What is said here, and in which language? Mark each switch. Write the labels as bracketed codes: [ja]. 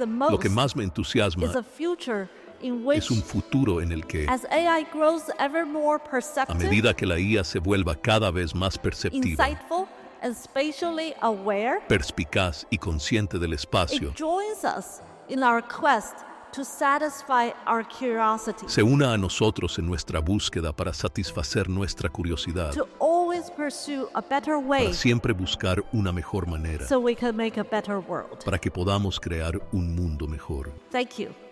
[es] Lo que más me entusiasma es un futuro en el que, [en] as AI grows ever more perceptive, [es] a medida que la IA se vuelva cada vez más perceptiva, [en] insightful, and spatially aware, [es] perspicaz y consciente del espacio, [en] it joins us in our quest to satisfy our curiosity. [es] Se una a nosotros en nuestra búsqueda para satisfacer nuestra curiosidad. [en] To always pursue a better way. [es] Para siempre buscar una mejor manera. [en] So we can make a better world. [es] Para que podamos crear un mundo mejor. [en] Thank you.